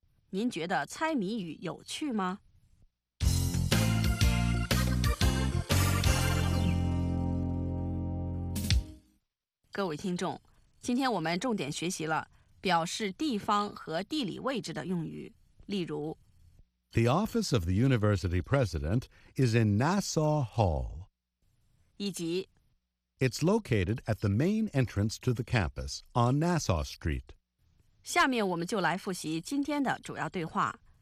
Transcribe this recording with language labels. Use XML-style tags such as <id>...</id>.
<zh>您觉得猜谜语有趣吗？各位听众，今天我们重点学习了表示地方和地理位置的用语，例如</zh> <en>The office of the university president is in Nassau Hall.</en> <zh>以及</zh> <en>It's located at the main entrance to the campus on Nassau Street.</en> <zh>下面我们就来复习今天的主要对话。</zh>